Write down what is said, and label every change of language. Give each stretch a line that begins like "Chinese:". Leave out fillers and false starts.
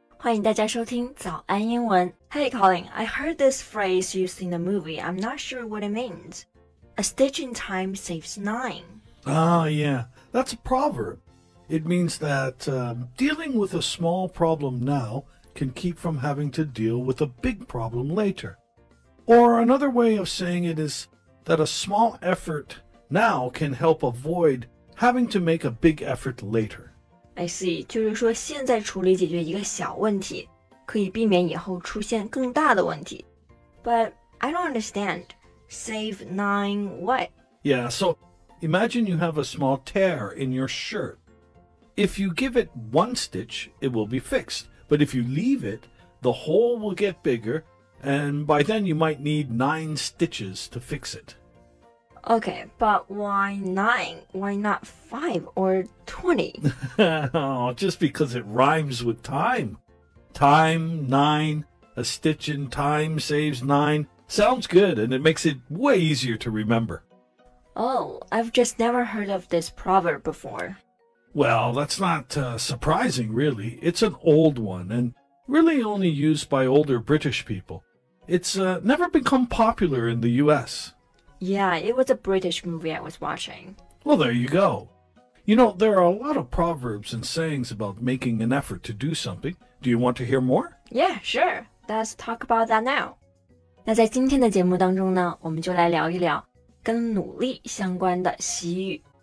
Chinese: 欢迎大家收听早安英文。
English: Hey, Colin. I heard this phrase used in the movie. I'm not sure what it means. A stitch in time saves nine. Yeah. That's a proverb. It means that, dealing with a small problem now can keep from having to deal with a big problem later. Or another way of saying it is that a small effort... Now can help avoid having to make a big effort later. I see.
Chinese: 就是说现在处理解决一个小问题可以避免以后出现更大的问题。
English: But I don't understand. Save nine what? Yeah, so imagine you have a small tear in your shirt. If you give it one stitch, it will be fixed. But if you leave it, the hole will get bigger, and by then you might need nine stitches to fix it. Okay, but why nine? Why not five or 20? Oh, just because it rhymes with time. Time, nine, a stitch in time saves nine. Sounds good, and it makes it way easier to remember. Oh, I've just never heard of this proverb before. Well, that's not, surprising, really. It's an old one, and really only used by older British people. It's, never become popular in the U.S. Yeah, it was a British movie I was watching. Well, there you go. You know, there are a lot of proverbs and sayings about making an effort to do something. Do you want to hear more? Yeah, sure. Let's talk about that now.
Chinese: 那在今天的节目当中呢，我们就来聊一聊跟努力相关的习语。